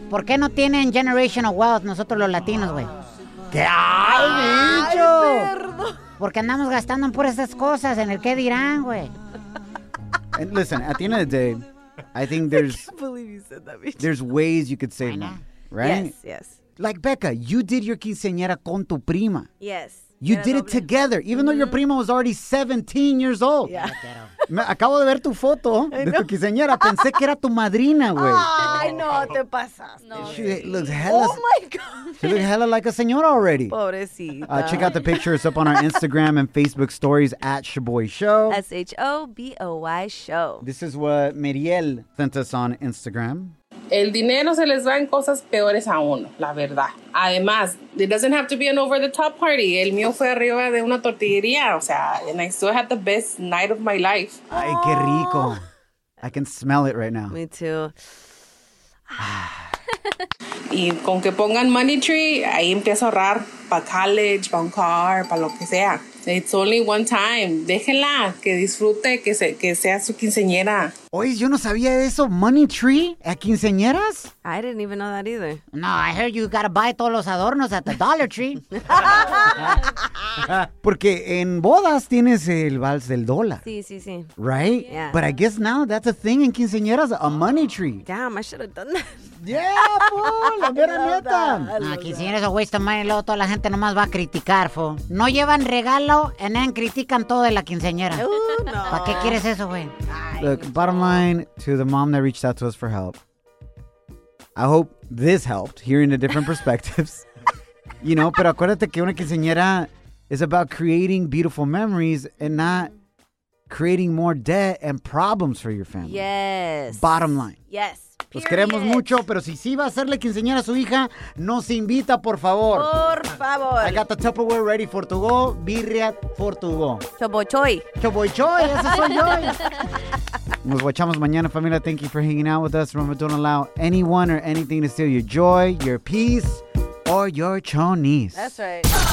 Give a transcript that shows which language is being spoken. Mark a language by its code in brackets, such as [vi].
[es] ¿Por qué no tienen [en] generational wealth [es] nosotros los latinos, güey? ¡Qué bicho! Porque andamos gastando en puras esas cosas, en el qué dirán, güey. [en] And listen, at the end of the day, I think there's... I can't believe you said that, bicho. There's ways you could save money, right? Yes, yes. Like, Becca, you did your quinceañera [es] con tu prima. [en] Yes. You did it together, even though your prima was already 17 years old. Yeah. [es] Me acabo de ver tu foto de tu quinceañera. Pensé que era tu madrina, güey. Ay, no, te pasaste. [en] She looks hella... Oh, my God. She looks hella like a señora already. [es] Pobrecita. [en] Check out the pictures up on our Instagram and Facebook stories at Shaboy Show. Shaboy Show. This is what Miriel sent us on Instagram. [es] El dinero se les va en cosas peores a uno, la verdad. Además, [en] it doesn't have to be an over-the-top party. [es] El mío fue arriba de una tortillería, o sea, [en] and I still had the best night of my life. [es] Ay, qué rico. [en] I can smell it right now. Me too. [es] Y con que pongan money tree, ahí empiezo a ahorrar pa' college, pa' un car, pa' lo que sea. [en] It's only one time. [es] Déjenla, que disfrute, que sea su quinceañera. Oye, yo no sabía eso. ¿Money tree? ¿A quinceañeras? [en] I didn't even know that either. No, I heard you gotta buy [es] todos los adornos [en] at the Dollar Tree. [es] Porque en bodas tienes el vals del dólar. Sí, sí, sí. [en] Right? Yeah. But I guess now that's a thing in quinceañeras, a money tree. Damn, I should have done that. Yeah, fool, [es] la mera neta. No, quinceañeras [en] a waste of money, [es] luego toda la gente nomás va a criticar, fool. No llevan regalo, [en] and then [es] critican todo de la quinceañera. No. ¿Para qué quieres eso, güey? [en] Look, bottom line, to the mom that reached out to us for help, I hope this helped, hearing the different perspectives. You know, [es] pero acuérdate que una [en] quinceañera is about creating beautiful memories and not creating more debt and problems for your family. Yes. Bottom line. Yes. [es] Los queremos mucho, pero si sí va a hacerle quinceañera a su hija, nos invita, por favor. Por favor. [en] I got the Tupperware ready for to go. Birria for to go. Choboy [es] Choy. Choboy Choy, ese soy yo. Nos guachamos mañana, familia. [en] Thank you for hanging out with us. Remember, don't allow anyone or anything to steal your joy, your peace, or your chonies. That's right.